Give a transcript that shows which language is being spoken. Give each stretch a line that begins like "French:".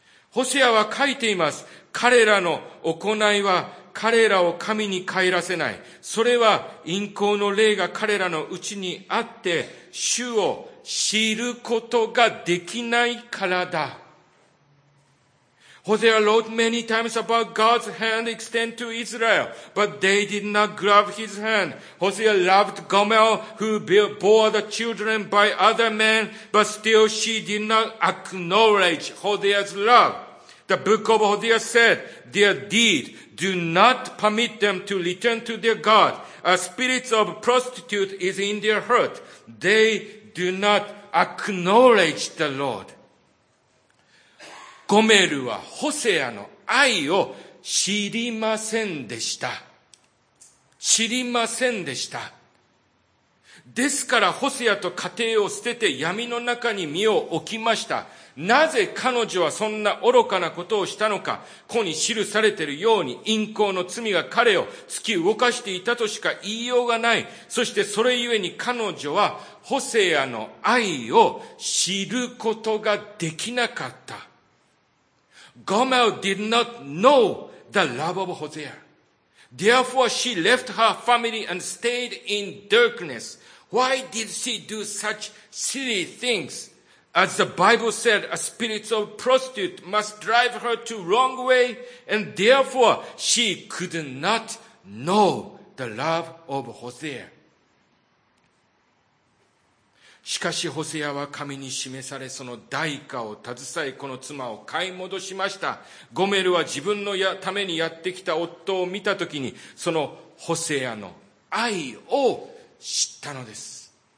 Japanese: ホセアは書いています。彼らの行いは彼らを神に帰らせない。それは淫行の霊が彼らのうちにあって主を知ることができないからだ。
English: Hosea wrote many times about God's hand extended to Israel, but they did not grab his hand. Hosea loved Gomer, who bore the children by other men, but still she did not acknowledge Hosea's love. The book of Hosea said, their deed do not permit them to return to their God. A spirit of prostitute is in their heart. They do not acknowledge the Lord.
Japanese: ゴメルはホセアの愛を知りませんでした。知りませんでした。ですからホセアと家庭を捨てて闇の中に身を置きました。なぜ彼女はそんな愚かなことをしたのか。ここに記されているように淫行の罪が彼を突き動かしていたとしか言いようがない。そしてそれゆえに彼女はホセアの愛を知ることができなかった。
English: Gomer did not know the love of Hosea. Therefore she left her family and stayed in darkness. Why did she do such silly things? As the Bible said, a spirit of prostitute must drive her to wrong way, and therefore she could not know the love of Hosea.
Japanese: しかしホセアは神に示され、その代価を携え、この妻を買い戻しました。ゴメルは自分のためにやってきた夫を見たときに、そのホセアの愛を知ったのです。